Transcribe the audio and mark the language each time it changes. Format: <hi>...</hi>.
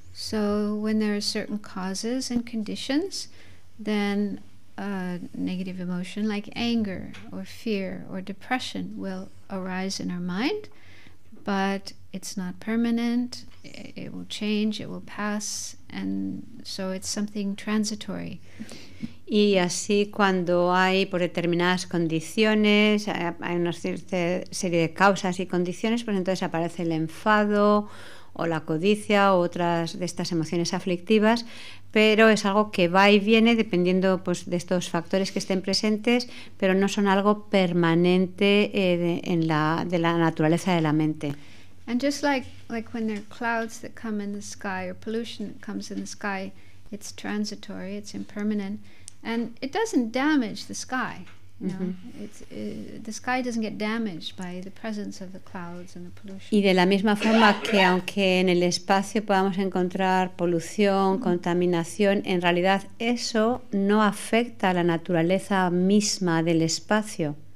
<en>So when there are certain causes and conditions, then a negative emotion like anger or fear or depression will arise in our mind, but it's not permanent, it will change, it will pass, and so it's something transitory.</en> <es>Y así cuando hay por determinadas condiciones, hay una cierta serie de causas y condiciones, pues entonces aparece el enfado o la codicia o otras de estas emociones aflictivas, pero es algo que va y viene dependiendo pues de estos factores que estén presentes, pero no son algo permanente de la naturaleza de la mente.</es> <en>And just like when there are clouds that come in the sky or pollution that comes in the sky, it's transitory, it's impermanent, and it doesn't damage the sky. The sky doesn't get damaged by the presence of the clouds and the pollution.</en> <es>Y de la misma forma que aunque en el espacio podamos encontrar polución, contaminación, en realidad eso no afecta a la naturaleza misma del espacio.</es>